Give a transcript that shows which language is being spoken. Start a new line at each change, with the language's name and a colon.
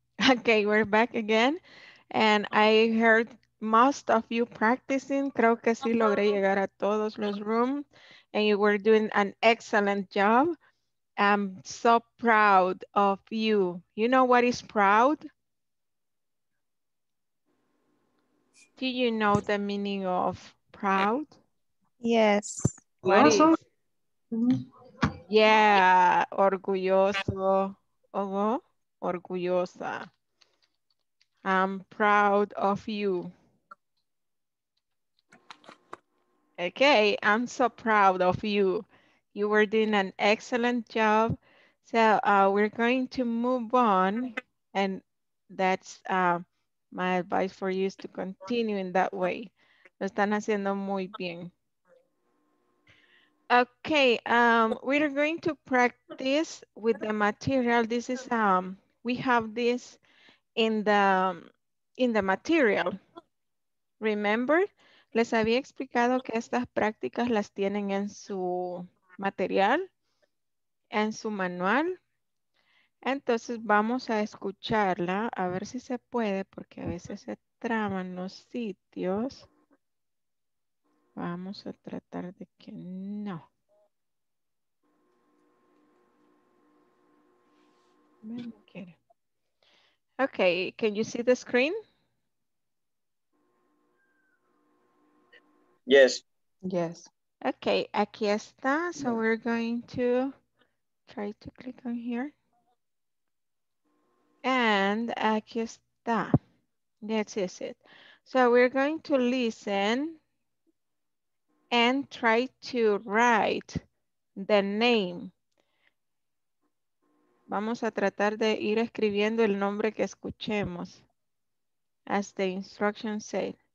English: Okay, we're back again. And I heard most of you practicing.
Spanish: Creo que sí logré llegar a todos los rooms.
English: And you were doing an excellent job. I'm so proud of you. You know what is proud? Do you know the meaning of proud? Yes. Awesome. Yeah, orgulloso. Uh-huh. Orgullosa. I'm proud of you. Okay, I'm so proud of you. You were doing an excellent job. So we're going to move on. And that's my advice for you is to continue in that way.
Spanish: Lo están haciendo muy bien.
English: Okay, we're going to practice with the material. This is, we have this in the material.
Spanish: Remember, les había explicado que estas prácticas las tienen en su material, en su manual. Entonces vamos a escucharla, a ver si se puede, porque a veces se traban los sitios. Vamos a tratar de que no.
English: Okay, can you see the screen? Yes. Yes.
Spanish: Okay, aquí está.
English: So we're going to try to click on here. And
Spanish: aquí está.
English: That is it. So we're going to listen and try to write the name.
Spanish: Vamos a tratar de ir escribiendo el nombre que escuchemos.
English: As the instruction said.